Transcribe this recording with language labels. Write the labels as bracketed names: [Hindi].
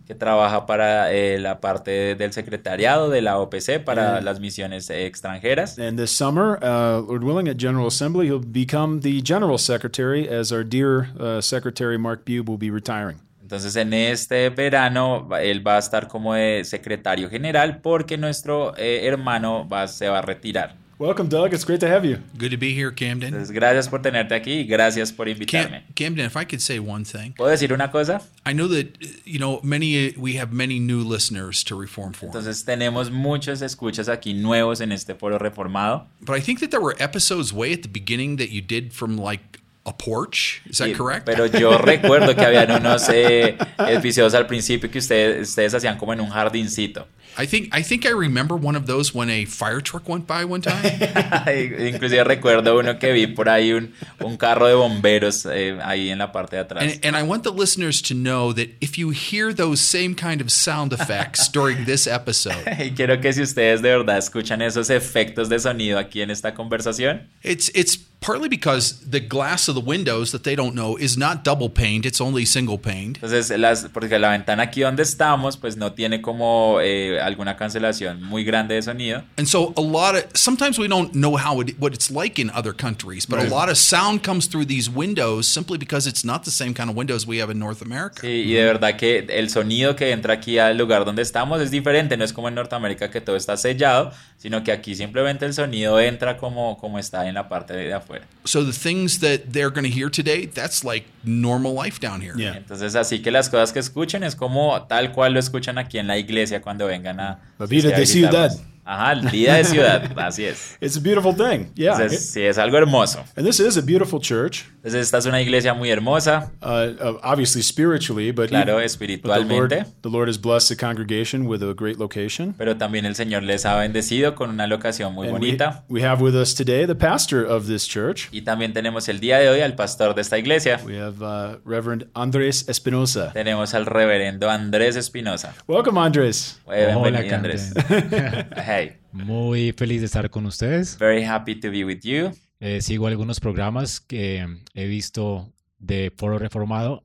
[Spanish] que trabaja para la parte del secretariado de la OPC para las misiones extranjeras. [English] And this summer, Lord willing, at General Assembly, he'll become the general secretary as our dear secretary Mark Bube will be retiring. [Spanish] Entonces, en este verano, él va a estar como secretario general porque nuestro hermano se va a retirar. [English] Welcome, Doug. It's great to have you. Good to be here, Camden. [Spanish] Entonces, gracias por tenerte aquí y gracias por invitarme. [English] Camden, if I could say one thing. [Spanish] ¿Puedo decir una cosa? [English] I know that, you know, we have many new listeners to Reform Forum. [Spanish] Entonces, tenemos muchos escuchas aquí nuevos en este foro reformado. [English] But I think that there were episodes way at the beginning that you did from, like, a porch, is that correct? [Spanish] Pero yo recuerdo que habían unos episodios al principio que ustedes hacían como en un jardincito. [English] I think I remember one of those when a fire truck went by one time. [Spanish] Inclusive recuerdo uno que vi por ahí un carro de bomberos ahí en la parte de atrás. [English] And I want the listeners to know that if you hear those same kind of sound effects during this episode. [Spanish] Y quiero que si ustedes de verdad escuchan esos efectos de sonido aquí en esta conversación. [English] It's partly because the glass of the windows that they don't know is not double paned, it's only single paned. [Spanish] Entonces, porque la ventana aquí donde estamos, pues no tiene como alguna cancelación muy grande de sonido. [English] And so a lot of, sometimes we don't know what it's like in other countries, but a lot of sound comes through these windows simply because it's not the same kind of windows we have in North America. [Spanish] Sí, y de verdad que el sonido que entra aquí al lugar donde estamos es diferente, no es como en Norteamérica que todo está sellado, sino que aquí simplemente el sonido entra como está en la parte de [English] So the things that they're going to hear today, that's like normal life down here. Yeah. [Spanish] Entonces así que las cosas que escuchen es como tal cual lo escuchan aquí en la iglesia cuando vengan a la vida de ciudad. Ajá, el día de ciudad, así es. [English] It's a beautiful thing. Yeah. [Spanish] Entonces, sí, es algo hermoso. [English] And this is a beautiful church. [Spanish] Entonces, esta es una iglesia muy hermosa. [English] Obviously spiritually, but [Spanish] claro, espiritualmente. [English] But the Lord has blessed the congregation with a great location. [Spanish] Pero también el Señor les ha bendecido con una locación muy bonita. [English] We have with us today the pastor of this church. [Spanish] Y también tenemos el día de hoy al pastor de esta iglesia. [English] We have Reverend Andrés Espinosa. [Spanish] Tenemos al reverendo Andrés Espinosa. [English] Welcome, Andrés. [Spanish] Bienvenido, Andrés. Hey. Muy feliz de estar con ustedes. [English] Very happy to be with you. [Spanish] Sigo algunos programas que he visto de Foro Reformado.